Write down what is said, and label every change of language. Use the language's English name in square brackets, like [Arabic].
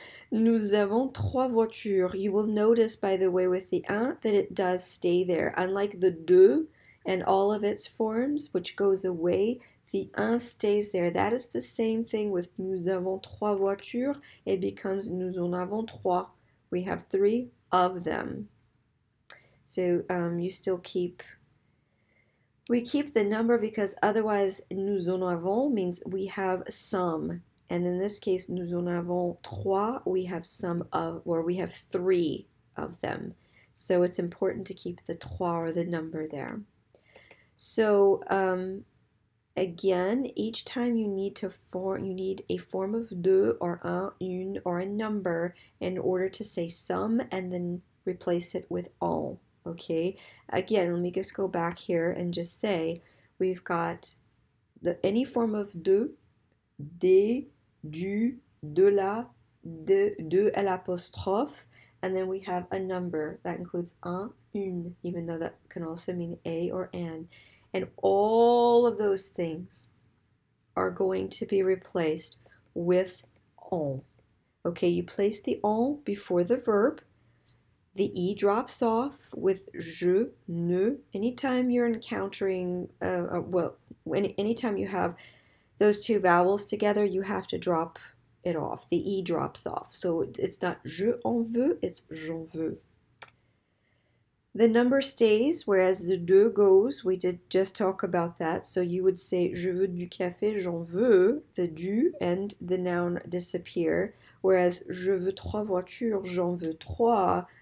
[French] Nous avons trois voitures. [English] You will notice, by the way, with the un that it does stay there. Unlike the deux and all of its forms, which goes away. The un stays there. That is the same thing with [French] nous avons trois voitures. [English] It becomes [French] nous en avons trois. [English] We have three of them. So you still keep. We keep the number because otherwise [French] nous en avons [English] means we have some. And in this case, [French] nous en avons trois. [English] We have some of, or we have three of them. So it's important to keep the trois or the number there. So, Again, each time you need to form, you need a form of de or un, une or a number in order to say some and then replace it with all. Okay. Again, let me just go back here and just say we've got the any form of de, du, de la, de l' apostrophe, and then we have a number that includes un, une, even though that can also mean a or an. And all of those things are going to be replaced with on. Okay, you place the on before the verb. The E drops off with je, ne. Anytime you're encountering, anytime you have those two vowels together, you have to drop it off. The E drops off. So it's not [French] je en veux, [English] it's [French] j'en veux. [English] The number stays, whereas the de goes. We did just talk about that. So you would say, [French] je veux du café, j'en veux. [English] The du and the noun disappear. [French] Whereas, je veux trois voitures, j'en veux trois.